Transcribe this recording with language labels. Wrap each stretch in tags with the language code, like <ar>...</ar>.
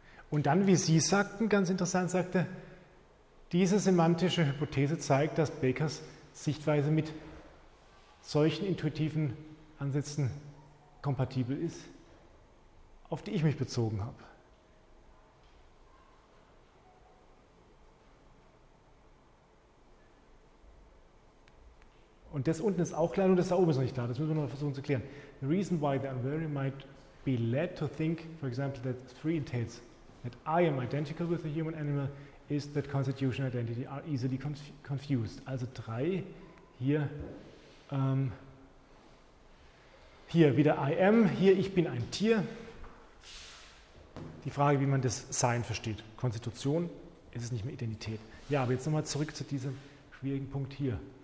<de>Und dann, wie Sie sagten, ganz interessant, sagte, diese semantische Hypothese zeigt, dass Bakers Sichtweise mit solchen intuitiven Ansätzen kompatibel ist, auf die ich mich bezogen habe. Und das unten ist auch klar, nur das da oben ist noch nicht klar. Das müssen wir noch versuchen zu klären.</de> <en>The reason why the unwary might be led to think, for example, that three entails that I am identical with the human animal, is that constitution and identity are easily confused.</en> <de>Also drei hier, hier wieder</de> <en>I am,</en> <de>hier ich bin ein Tier. Die Frage, wie man das Sein versteht. Konstitution ist es nicht mehr Identität. Ja, aber jetzt nochmal zurück zu diesem schwierigen Punkt hier.</de>